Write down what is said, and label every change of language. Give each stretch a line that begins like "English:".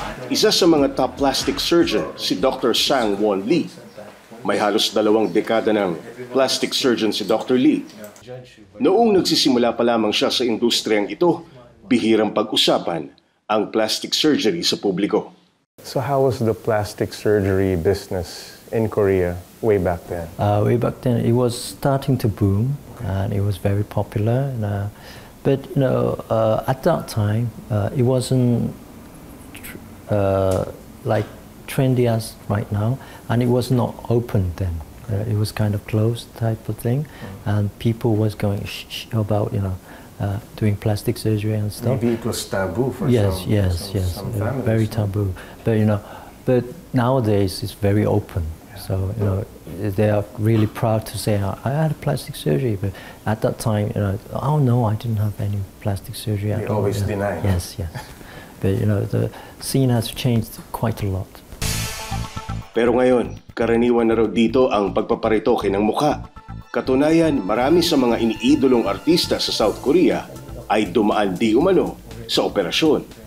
Filipino: Isa sa mga top plastic surgeon, si Dr. Sang Won Lee. May halos 2 dekada ng plastic surgeon si Dr. Lee. Noong nagsisimula pa lamang siya sa industriyang ito, bihirang pag-usapan ang plastic surgery sa publiko.
English: So how was the plastic surgery business in Korea way back then? Way back then, it was starting to boom and it was very popular. But at that time, it wasn't like trendy as right now, and it was not open then. It was kind of closed type of thing, and people was going about doing plastic surgery and stuff. Maybe it was taboo for some families. Very taboo. But nowadays it's very open. Yeah. So you know, they are really proud to say I had plastic surgery. But at that time, I didn't have any plastic surgery. They always deny. Yes. But you know, the scene has changed quite a lot.
Filipino: Pero ngayon, karaniwan na raw dito ang pagpaparitoke ng mukha. Katunayan, marami sa mga iniidolong artista sa South Korea ay dumaan di umano sa operasyon.